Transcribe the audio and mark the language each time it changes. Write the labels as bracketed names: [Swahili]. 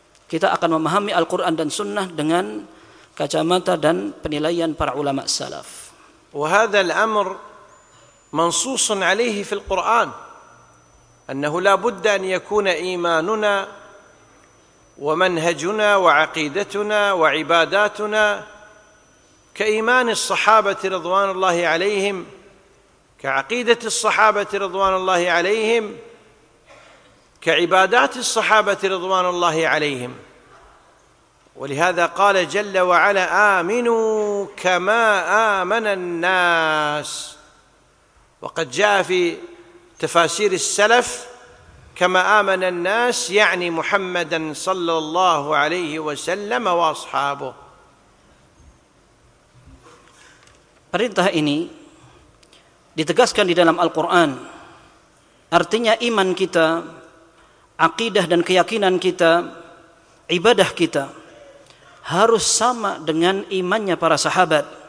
[Indonesian] Kita akan memahami Al-Quran dan Sunnah dengan kacamata dan penilaian para ulama salaf. [Arabic] وهذا الأمر منصوص عليه في القرآن أنه لا بد أن يكون إيماننا ومنهجنا وعقيدتنا وعباداتنا كإيمان الصحابة رضوان الله عليهم كعقيدة الصحابة رضوان الله عليهم كعبادات الصحابة رضوان الله عليهم ولهذا قال جل وعلا آمنوا كما آمن الناس وقد جاء في تفاسير السلف كما آمن الناس يعني محمدا صلى الله عليه وسلم وأصحابه. [Indonesian] Perintah ini ditegaskan di dalam Al-Quran, artinya iman kita, akidah dan keyakinan kita, ibadah kita harus sama dengan imannya para sahabat.